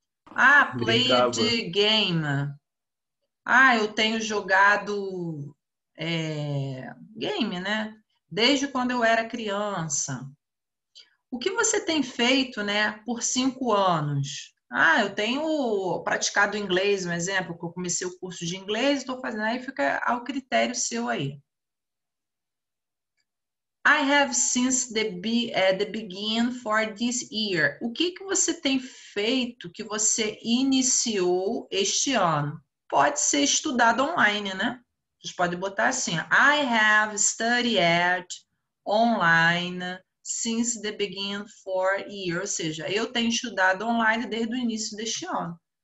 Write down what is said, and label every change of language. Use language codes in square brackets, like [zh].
[pt] Ah, [en] played game. [pt] Ah, eu tenho jogado game, né? Desde quando eu era criança. O que você tem feito, né, por 5 anos? Ah, eu tenho praticado inglês, um exemplo, que eu comecei o curso de inglês e estou fazendo. Aí fica ao critério seu aí. [en] I have since the beginning for this year. [pt] O que, que você tem feito que você iniciou este ano? Pode ser estudado online, né? Vocês podem botar assim. [en] I have studied online since the beginning for year. [pt] Ou seja, eu tenho estudado online desde o início deste ano.